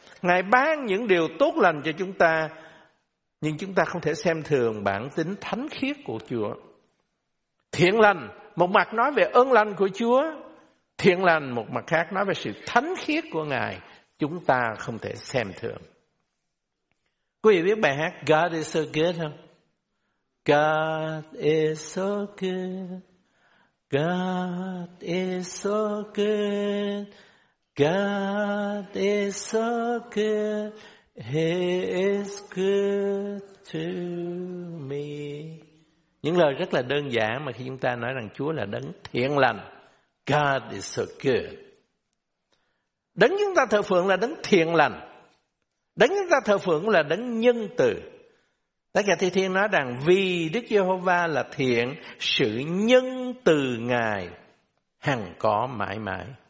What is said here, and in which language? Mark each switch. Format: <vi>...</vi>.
<vi>Ngài ban những điều tốt lành cho chúng ta, nhưng chúng ta không thể xem thường bản tính thánh khiết của Chúa. Thiện lành một mặt nói về ơn lành của Chúa, thiện lành một mặt khác nói về sự thánh khiết của Ngài, chúng ta không thể xem thường. Quý vị biết bài hát</vi> <en>God is so good</en> <vi>không?</vi> <en>God is so good, God is so good, God is so good, He is good to me.</en> <vi>Những lời rất là đơn giản mà khi chúng ta nói rằng Chúa là đấng thiện lành,</vi> <en>God is so good.</en> <vi>Đấng chúng ta thờ phượng là đấng thiện lành, đấng chúng ta thờ phượng là đấng nhân từ. Tác giả Thi Thiên nói rằng vì Đức Giê-hô-va là thiện, sự nhân từ Ngài hằng có mãi mãi.</vi>